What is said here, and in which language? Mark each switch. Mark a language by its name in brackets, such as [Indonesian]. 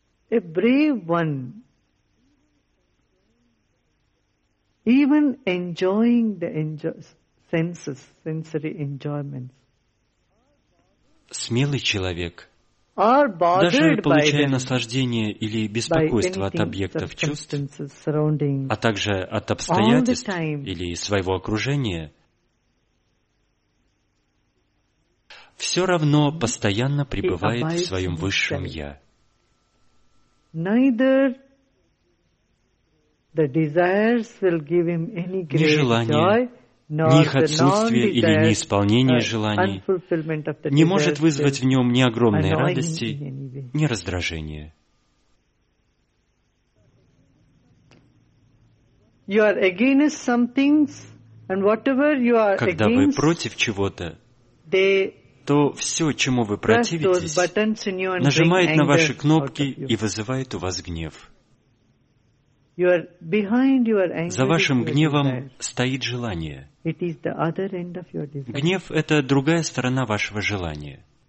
[English] A brave one, even enjoying the senses, sensory enjoyments. [Russian] Смелый человек, даже получая наслаждение или беспокойство от объектов чувств, а также от обстоятельств или своего окружения, все равно постоянно пребывает в своем высшем «я». [English] Neither the desires will give him any great [Russian] желание, [English] joy, nor [Russian] ни их отсутствие или неисполнение желаний не может вызвать в нем ни огромной радости, ни раздражения. [English] You are against some things, and whatever you are against, [Russian] когда вы против чего-то, то все, чему вы противитесь, нажимает на ваши кнопки и вызывает у вас гнев. За вашим гневом стоит желание. Гнев — это другая сторона вашего желания.